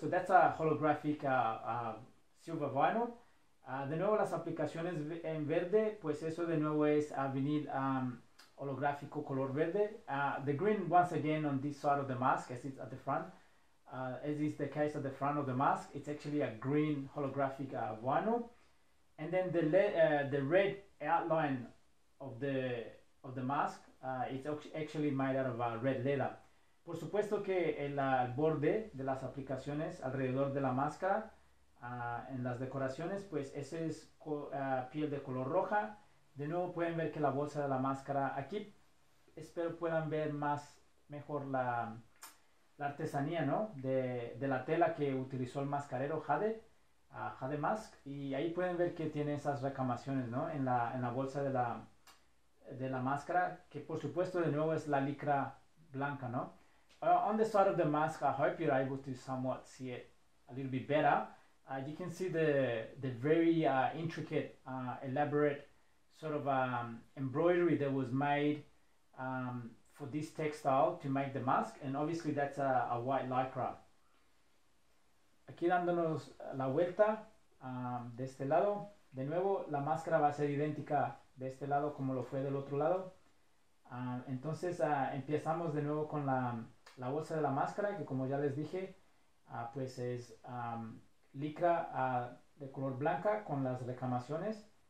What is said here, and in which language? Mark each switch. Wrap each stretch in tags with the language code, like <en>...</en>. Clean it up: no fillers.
<en>So that's a holographic silver vinyl.</en> <es>De nuevo las aplicaciones en verde, pues eso de nuevo es vinil holográfico color verde.</es> <en>The green once again on this side of the mask, as it's at the front, as is the case at the front of the mask, it's actually a green holographic vinyl. And then the red outline of the mask, it's actually made out of red leather.</en> <es>Por supuesto que el borde de las aplicaciones alrededor de la máscara. En las decoraciones, pues ese es piel de color roja. De nuevo pueden ver que la bolsa de la máscara, aquí espero puedan ver más mejor la artesanía, ¿no? De la tela que utilizó el mascarero Jade, Jade Mask, y ahí pueden ver que tiene esas recamaciones, ¿no? En la bolsa de la máscara, que por supuesto de nuevo es la licra blanca, ¿no?</es> <en>On the side of the mask, I hope you're able to somewhat see it a little bit better. You can see the very intricate, elaborate sort of embroidery that was made for this textile to make the mask, and obviously that's a white lycra.</en> <es>Aquí dándonos la vuelta de este lado, de nuevo la máscara va a ser idéntica de este lado como lo fue del otro lado. Entonces empezamos de nuevo con la bolsa de la máscara, que como ya les dije, pues es licra de color blanca con las recamaciones.</es>